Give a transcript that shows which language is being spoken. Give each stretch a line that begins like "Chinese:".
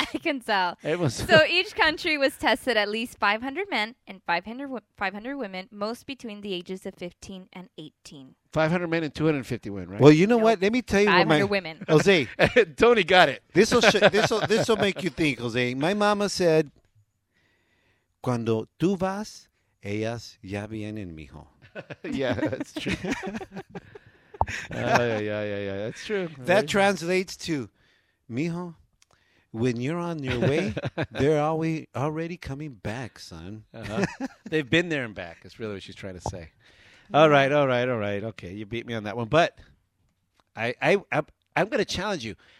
English: I can tell. It was. So each country was tested at least 500 men and 500 women, most between the ages of 15 and 18. 500 men and 250 women, right? Well, you know what? Let me tell you what my. 500 women. Jose. Tony got it. This will make you think, Jose. My mama said,
Spanish: cuando tú vas, ellas ya vienen, mijo.
English: Yeah, that's true. Yeah, that's true. That right? Translates to, mijo, when you're on your way, they're already coming back, son. Uh-huh. They've been there and back. That's really what she's trying to say. All right. Okay, you beat me on that one. But I'm going to challenge you.